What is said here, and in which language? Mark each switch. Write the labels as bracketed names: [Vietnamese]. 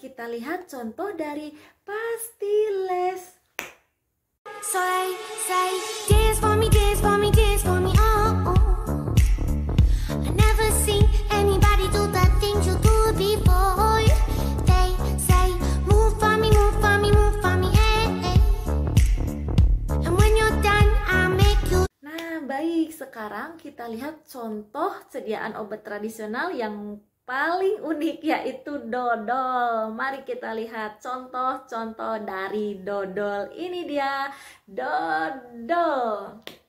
[Indonesian] Lihat contoh dari Pastilles. [English] Say, say, dance for me, dance for me, dance for me, oh, oh. I never seen anybody do the things you do before. They say, move for me, move for me, move for me, hey, hey. And when you're done, I make you. [Indonesian] Nah, baik, sekarang kita lihat contoh sediaan obat tradisional yang paling unik, yaitu dodol. Mari kita lihat contoh-contoh dari dodol. Ini dia, dodol.